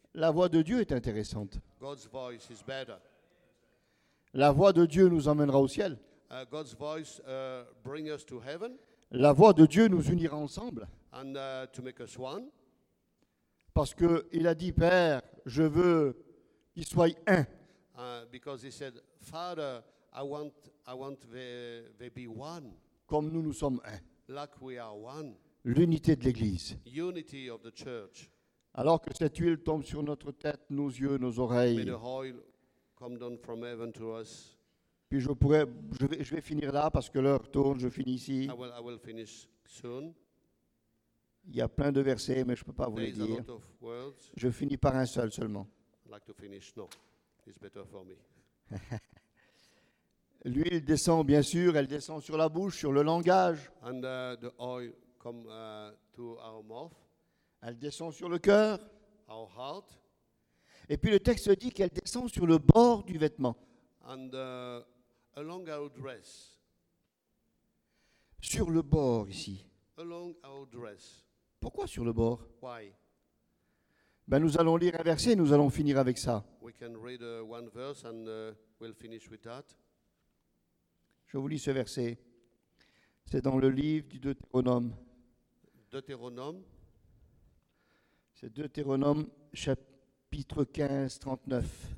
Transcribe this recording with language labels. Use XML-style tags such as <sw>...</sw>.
<fr>La voix de Dieu est intéressante.</fr> <en>God's voice is better.</en> <fr>La voix de Dieu nous emmènera au ciel.</fr> <en>God's voice, bring us to heaven.</en> <fr>La voix de Dieu nous unira ensemble.</fr> <en>And, to make us one.</en> <fr>Parce qu'il a dit, Père, je veux qu'ils soient un.</fr> <en>Because he said, Father, I want they be one.</en> <fr>Comme nous, nous sommes un.</fr> <en>Like we are one.</en> <fr>L'unité de l'Église.</fr> <en>Unity of the church.</en> <fr>Alors que cette huile tombe sur notre tête, nos yeux, nos oreilles.</fr> <en>May the oil come down from heaven to us.</en> <fr>Puis je vais finir là parce que l'heure tourne, je finis ici.</fr> <en>I will finish soon.</en> <fr>Il y a plein de versets, mais je ne peux pas vous</fr> <en>There</en> <fr>les dire.</fr> <en>A lot of words.</en> <fr>Je finis par un seul seulement.</fr> <en>I'd like to finish. No, it's better for me.</en> <fr>L'huile descend, bien sûr, elle descend sur la bouche, sur le langage.</fr> <en>And, the oil come to our mouth.</en> <fr>Elle descend sur le cœur.</fr> <en>Our heart.</en> <fr>Et puis le texte dit qu'elle descend sur le bord du vêtement.</fr> <en>And along our dress.</en> <fr>Sur le bord ici.</fr> <en>Along our dress.</en> <fr>Pourquoi sur le bord?</fr> <en>Why?</en> <fr>Ben, nous allons lire un verset et nous allons finir avec ça.</fr> <en>We can read one verse and we'll finish with that.</en> <fr>Je vous lis ce verset. C'est dans le livre du Deutéronome. Deutéronome. C'est Deutéronome chapitre 15, 39.</fr>